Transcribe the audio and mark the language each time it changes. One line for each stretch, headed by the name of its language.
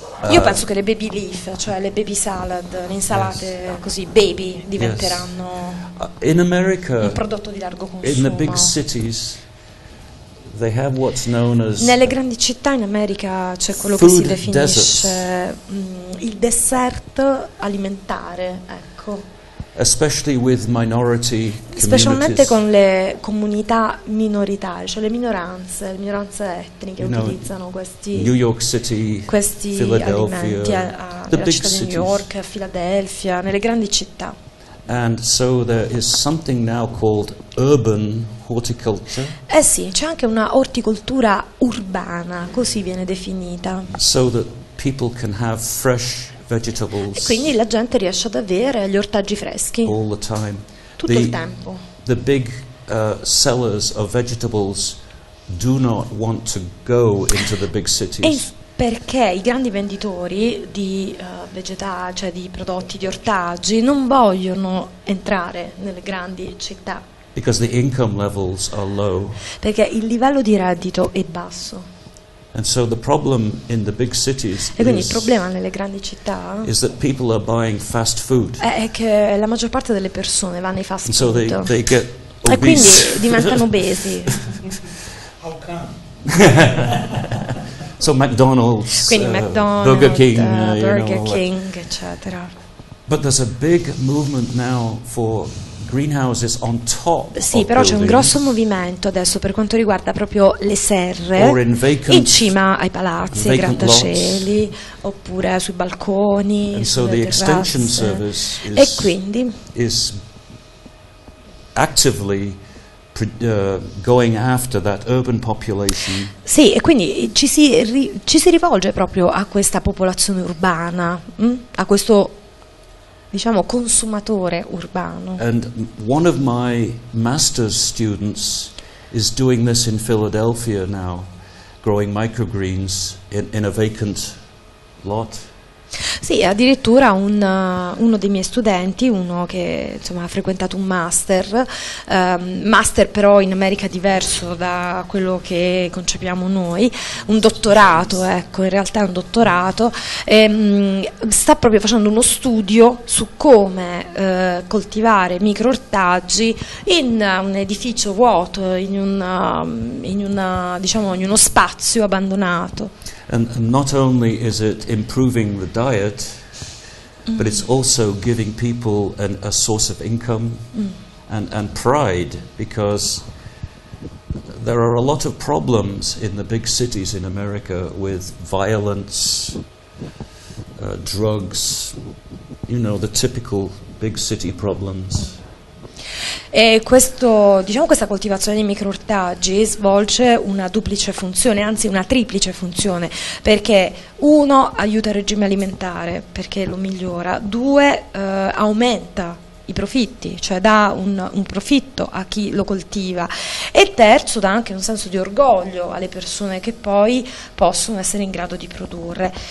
Italian: Io penso che le baby leaf, cioè le baby salad, le insalate così baby, diventeranno in America, un prodotto di largo consumo.
English: In the big cities, they have what's known as
Italian: nelle grandi città in America c'è quello che si definisce il dessert alimentare, ecco.
English: Especially with minority communities.
Italian: Specialmente con le comunità minoritarie, cioè le minoranze etniche,
English: you know,
Italian: utilizzano questi
English: New York City,
Italian: questi
English: Philadelphia,
Italian: alimenti a New York, a Philadelphia, nelle grandi città.
English: And so there is something now called urban horticulture.
Italian: Eh sì, c'è anche una orticoltura urbana, così viene definita.
English: So that people can have fresh vegetables.
Italian: E quindi la gente riesce ad avere gli ortaggi freschi.
English: All the time.
Italian: Tutto il tempo.
English: The big sellers of vegetables do not want to go into the big cities.
Italian: Perché i grandi venditori di vegetali, cioè di prodotti di ortaggi, non vogliono entrare nelle grandi città.
English: Because the income levels are low.
Italian: Perché il livello di reddito è basso.
English: And so the problem in the big cities
Italian: e quindi il problema nelle grandi città
English: is that people are buying fast food.
Italian: È che la maggior parte delle persone va nei fast
English: and food. So they get obese.
Italian: E quindi diventano obesi.
English: How come? So McDonald's,
Italian: quindi McDonald's,
English: Burger King,
Italian: Burger King, eccetera.
English: But there's a big movement now for greenhouses on top.
Italian: Sì, però c'è un grosso movimento adesso per quanto riguarda proprio le serre in cima ai palazzi, ai grattacieli, oppure sui balconi, sulle terrazze. E quindi
English: is actively going after that urban population.
Italian: Sì, e quindi ci si rivolge proprio a questa popolazione urbana, a questo, diciamo, consumatore urbano.
English: And one of my master's students is doing this in Philadelphia now, growing microgreens in a vacant lot.
Italian: Sì, addirittura uno dei miei studenti, uno che insomma ha frequentato un master, master però in America diverso da quello che concepiamo noi, un dottorato, ecco, in realtà è un dottorato, sta proprio facendo uno studio su come coltivare microortaggi in un edificio vuoto, in uno spazio abbandonato.
English: And not only is it improving the diet, but it's also giving people a source of income and pride, because there are a lot of problems in the big cities in America with violence, drugs, you know, the typical big city problems.
Italian: E questo, diciamo, questa coltivazione di microortaggi svolge una duplice funzione, anzi una triplice funzione, perché uno aiuta il regime alimentare perché lo migliora, due aumenta i profitti, cioè dà un profitto a chi lo coltiva, e terzo dà anche un senso di orgoglio alle persone che poi possono essere in grado di produrre.